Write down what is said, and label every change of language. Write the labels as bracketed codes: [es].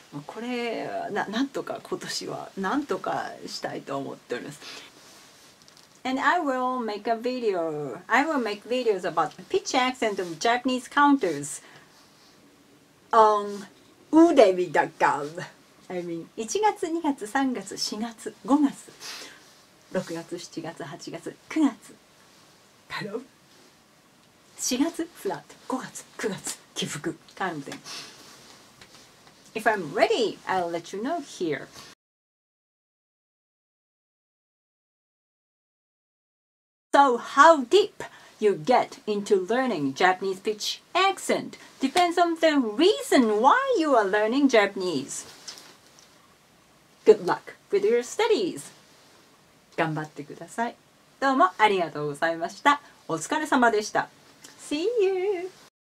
[ja] これ、なんとか今年はなんとかしたいと思っております。 [en] And I will make a video. I will make videos about the pitch accent of Japanese counters on udemy.com. I mean, [ja] 1月、2月、3月、4月、5月、6月、7月、8月、9月。 [en] Hello? [ja] 4月 flat, 5月 9月 起伏 [en] kind of thing. If I'm ready, I'll let you know here. So how deep you get into learning Japanese pitch accent depends on the reason why you are learning Japanese. Good luck with your studies. [ja] 頑張ってください。どうもありがとうございました。お疲れ様でした。 [en] See you!